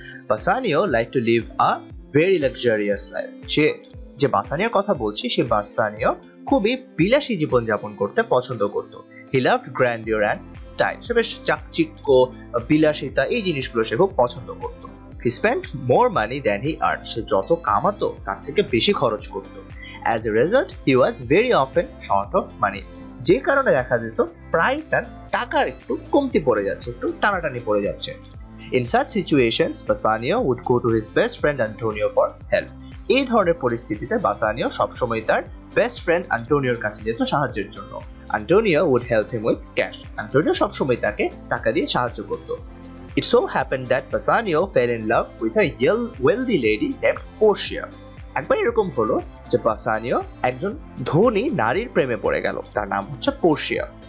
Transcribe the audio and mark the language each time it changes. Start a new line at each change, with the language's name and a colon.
English: Bassanio like to live a very luxurious life.
Bangla: যে বাসানিয়ার কথা বলছি সে বাসানিও খুবই বিলাসী জীবন যাপন করতে পছন্দ করত।
English: he loved grandeur and style,
Bangla: সে বেশ চাকচিক্য বিলাসিতা এই জিনিসগুলো সে খুব পছন্দ করত।
English: He spent more money than he earned.
Bangla: সে যত কামাতো তার থেকে বেশি খরচ করত।
English: As a result, he was very often short of money.
Bangla: যে কারণে দেখা যেত প্রায় তার টাকার একটু কমতি পড়ে যাচ্ছে, একটু টানাটানি পড়ে যাচ্ছে।
English: In such situations, Bassanio would go to his best friend Antonio for help.
Bangla: এই ধরনের পরিস্থিতিতে বাসানিও সবসময় তার বেস্ট ফ্রেন্ড আন্টোনিওর কাছে যেত সাহায্যের জন্য।
English: Antonio would help him with cash.
Bangla: Antonio সবসময় তাকে টাকা দিয়ে সাহায্য করত।
English: It so happened that Bassanio fell in love with a wealthy lady named Portia.
Bangla: একবার এরকম হলো যে বাসানিও একজন ধনী নারীর প্রেমে পড়ে গেল, তার নাম হচ্ছে পোর্শিয়া।